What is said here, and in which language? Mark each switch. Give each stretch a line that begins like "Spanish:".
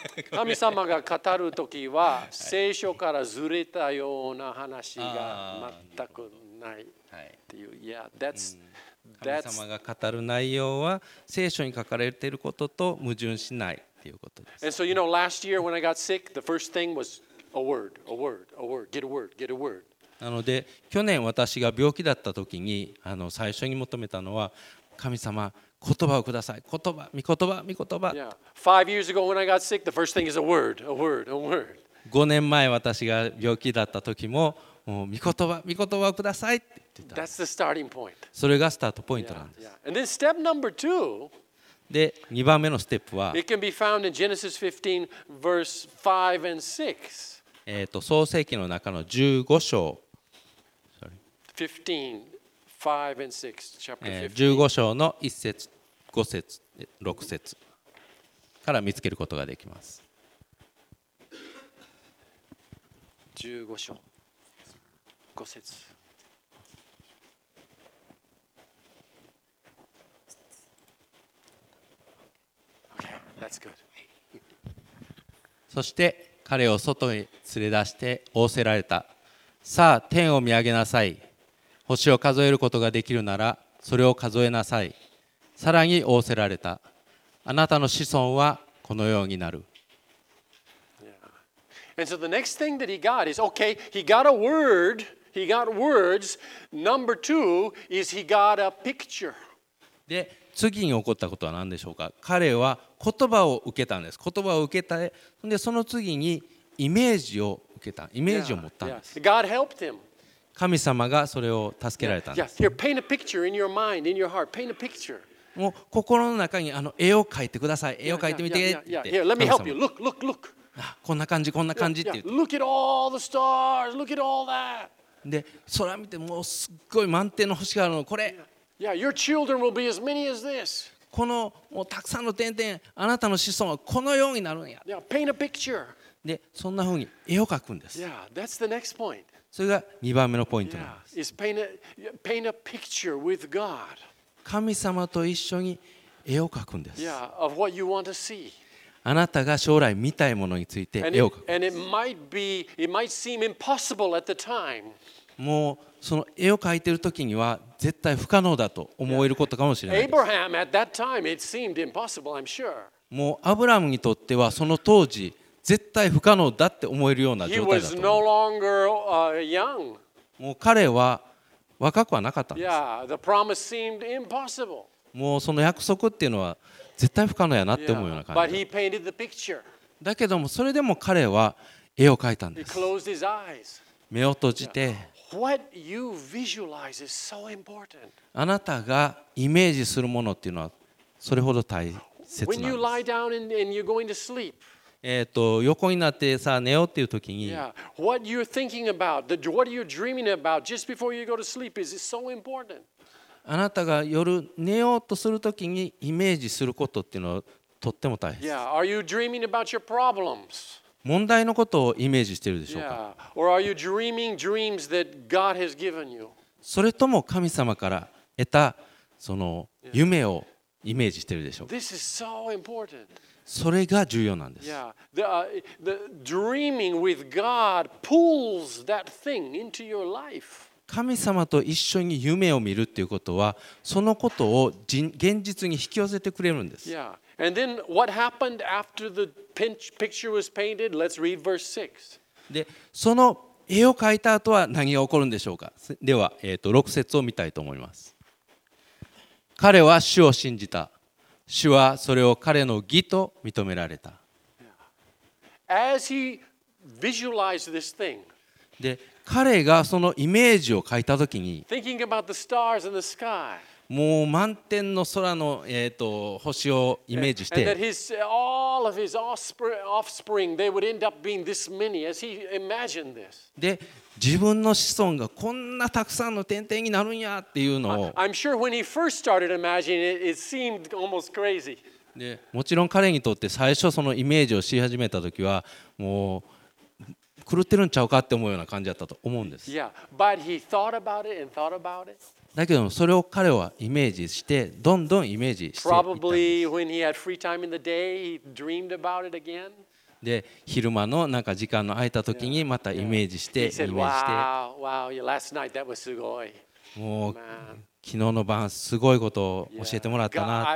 Japanese: 神様が語るときは聖書からずれたような話が全くないっていう。いや、神様が語る内容は聖書に書かれていることと矛盾しないっていうことです。
English: And so, you know, last year when I got sick, the first thing was a word, a word, a word, get a word, get a word.
Japanese: なので、去年私が病気だったときに、最初に求めたのは神様、言葉をください。言葉、御言葉、御言葉。
English: Yeah. 5 years ago when I got sick, the first thing is a word, a word, a word.
Japanese: 5年前私が病気だった時も、もう御言葉、御言葉をくださいって言ってた。
English: That's the starting point.
Japanese: それがスタートポイントなんです。
English: Yeah. And then step number two.
Japanese: で、2番目のステップは。
English: It can be found in Genesis 15, verse 5 and 6.
Japanese: 創世記の中の15章。
English: Sorry. 15
Japanese: 章の1節5節6節から見つけることができます。 15章5節。
English: That's good.
Japanese: そして彼を外へ連れ出して仰せられた。さあ天を見上げなさい。星を数えることができるならそれを数えなさい。さらに仰せられた。あなたの子孫はこのようになる。
English: And so the next thing that he got is, okay, he got a word, he got words. Number two is he got a picture.
Japanese: で、次に起こったことは何でしょうか。彼は言葉を受けたんです。言葉を受けた。で、その次にイメージを受けた。イメージを持ったんです。
English: God helped him.
Japanese: 神様がそれを助けられたんです。
English: Here, paint a picture in your mind, in your heart. Paint a picture.
Japanese: もう心の中に絵を描いてください。絵を描いてみてって言って。
English: Here, let me help you. Look, look, look.
Japanese: こんな感じ、こんな感じって言って。
English: Look at all the stars. Look at all that.
Japanese: で、空見てもうすっごい満点の星があるの。これ。
English: Yeah, your children will be as many as this.
Japanese: このもうたくさんの点々、あなたの子孫はこのようになるんや。
English: Yeah, paint a picture.
Japanese: で、そんな風に絵を描くんです。
English: Yeah, that's the next point.
Japanese: それが2番目のポイントなんです。
English: Paint a picture with God.
Japanese: 神様と一緒に絵を描くんです。
English: Yeah, of what you want to see.
Japanese: あなたが将来見たいものについて絵を描く。
English: And it might be, it might seem impossible at the time.
Japanese: もうその絵を描いている時には絶対不可能だと思えることかもしれないです。
English: Abraham at that time it seemed impossible, I'm sure.
Japanese: もうアブラムにとってはその当時絶対不可能だって思えるような状態だと思う。
English: He was no longer, young.
Japanese: もう彼は若くはなかったんです。
English: Yeah, the promise seemed impossible.
Japanese: もうその約束っていうのは絶対不可能やなって思うような感じ。
English: Yeah, but he painted the picture.
Japanese: だけどもそれでも彼は絵を描いたんです。
English: He closed his eyes.
Japanese: 目を閉じて。
English: What you visualize is so important.
Japanese: あなたがイメージするものっていうのはそれほど大切なんです。
English: When you lie down and you're going to sleep.
Japanese: 横になってさ寝ようっていう時に、
English: yeah. What you're thinking about, what you're dreaming about just before you go to sleep is so important.
Japanese: あなたが夜寝ようとする時にイメージすることっていうのはとっても大切です。
English: Yeah. Are you dreaming about your problems?
Japanese: 問題のことをイメージしてるでしょうか。
English: Yeah. Or are you dreaming dreams that God has given you?
Japanese: それとも神様から得たその夢をイメージしてるでしょうか。
English: This is so important.
Japanese: それが重要なんです。
English: yeah, the dreaming with God pulls that thing into your life.
Japanese: 神様と一緒に夢を見るっていうことはそのことを現実に引き寄せてくれるんです。
English: yeah. And then what happened after the picture was painted? Let's read verse 6.
Japanese: で、その絵を描いた後は何が起こるんでしょうか。では、6節を見たいと思います。彼は主を信じた。主はそれを彼の義と認められた。
English: As he visualized this thing,
Japanese: で彼がそのイメージを描いたときに、
English: thinking about the stars in the sky,
Japanese: もう満天の空の、星をイメージして、
English: and that all of his offspring, they would end up being this many as he imagined this.
Japanese: で自分の子孫がこんなたくさんの点々になるんやっていうのを、
English: I'm sure when he first started imagining it, it seemed almost crazy.
Japanese: でもちろん彼にとって最初そのイメージをし始めたときはもう狂ってるんちゃうかって思うような感じだったと思うんです。
English: yeah, but he thought about it and thought about it.
Japanese: だけどそれを彼はイメージしてどんどんイメージしていった。
English: Probably when he had free time in the day, he dreamed about it again.
Japanese: で昼間のなんか時間の空いた時にまたイメージしてイメージして、もう昨日の晩すごいことを教えてもらったな